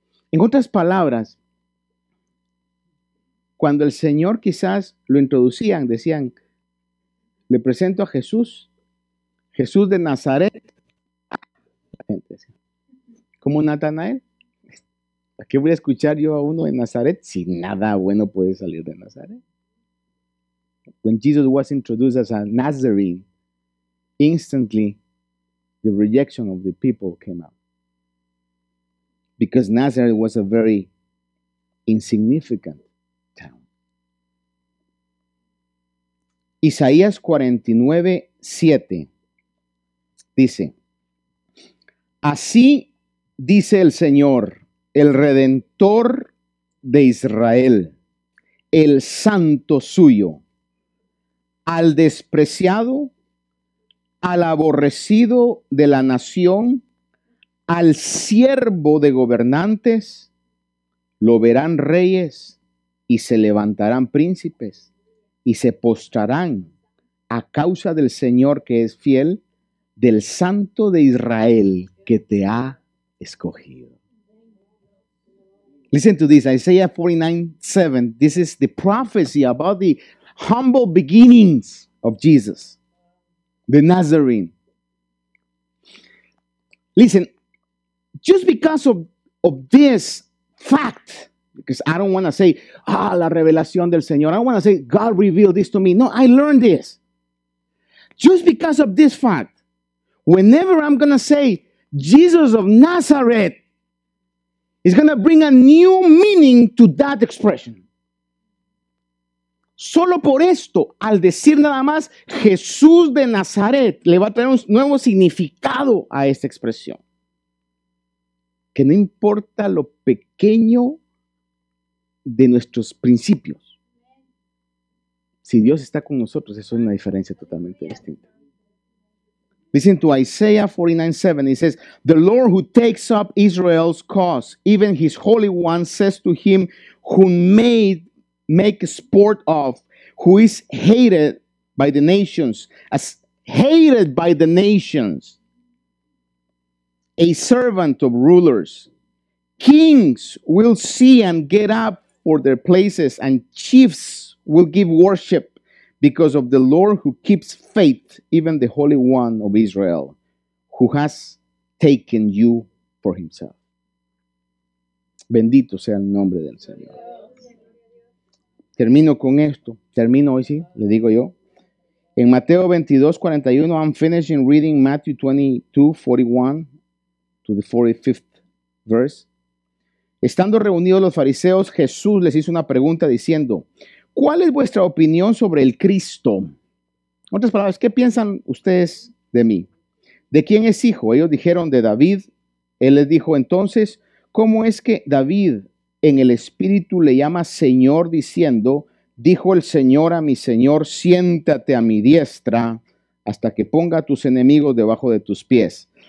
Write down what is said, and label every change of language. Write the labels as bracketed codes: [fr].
[es] En otras palabras, cuando el Señor quizás lo introducían, decían, le presento a Jesús, Jesús de Nazaret. La gente decía, ¿cómo Natanael? ¿A qué voy a escuchar yo a uno de Nazaret si nada bueno puede salir de Nazaret? [en] When Jesus was introduced as a Nazarene, instantly the rejection of the people came out. Because Nazareth was a very insignificant town. [es] Isaías 49:7 dice, así dice el Señor, el Redentor de Israel, el Santo suyo, al despreciado, al aborrecido de la nación, al siervo de gobernantes, lo verán reyes y se levantarán príncipes y se postrarán a causa del Señor que es fiel, del Santo de Israel que te ha escogido. [en] Listen to this, Isaiah 49:7. This is the prophecy about the humble beginnings of Jesus, the Nazarene. Listen, just because of this fact, because I don't want to say, [es] la revelación del Señor. [en] I don't want to say, God revealed this to me. No, I learned this. Just because of this fact, whenever I'm going to say, Jesus of Nazareth, is going to bring a new meaning to that expression. [es] Solo por esto, al decir nada más Jesús de Nazaret, le va a traer un nuevo significado a esta expresión. Que no importa lo pequeño de nuestros principios. Si Dios está con nosotros, eso es una diferencia totalmente distinta. [en] Listen to Isaiah 49:7. It says, the Lord who takes up Israel's cause, even his Holy One, says to him who make sport of, who is hated by the nations, as hated by the nations, a servant of rulers. Kings will see and get up for their places, and chiefs will give worship because of the Lord who keeps faith, even the Holy One of Israel, who has taken you for himself. [es] Bendito sea el nombre del Señor. Termino con esto. Termino hoy, sí, le digo yo. En Mateo 22:41, [en] I'm finishing reading Matthew 22:41 to the 45th verse. [es] Estando reunidos los fariseos, Jesús les hizo una pregunta diciendo, ¿cuál es vuestra opinión sobre el Cristo? En otras palabras, ¿qué piensan ustedes de mí? ¿De quién es hijo? Ellos dijeron, de David. Él les dijo, entonces, ¿cómo es que David en el Espíritu le llama Señor, diciendo, dijo el Señor a mi Señor, siéntate a mi diestra hasta que ponga a tus enemigos debajo de tus pies?